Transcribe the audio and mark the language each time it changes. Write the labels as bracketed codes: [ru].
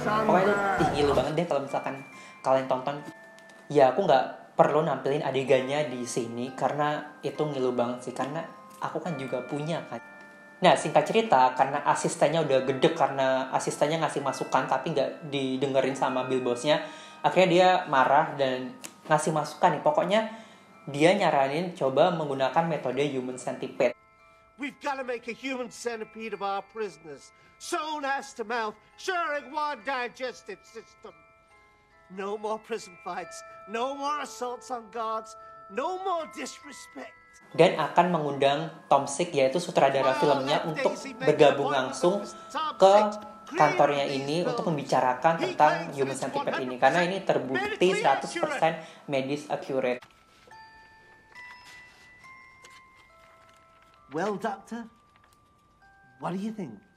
[id] Pokoknya itu tinggi lu banget deh kalau misalkan kalian tonton. Ya aku gak perlu nampilin adegannya di sini karena itu ngilu banget sih, karena aku kan juga punya kan. Nah, singkat cerita, karena asistennya udah gede karena asistennya ngasih masukan tapi nggak didengerin sama Bill Boss-nya, akhirnya dia marah dan ngasih masukan nih. Pokoknya dia nyaranin coba menggunakan metode human centipede. [en] We've got to make a human centipede of our prisoners, sewn ass to mouth, sharing one digestive system. No more prison fights, no more assaults on guards, no more disrespect. [id] Dan akan mengundang Tom Sick, yaitu sutradara filmnya, untuk bergabung langsung ke kantornya ini untuk membicarakan tentang human centipede ini, karena ini terbukti 100% medis accurate. [en] Well, doctor, what do you think?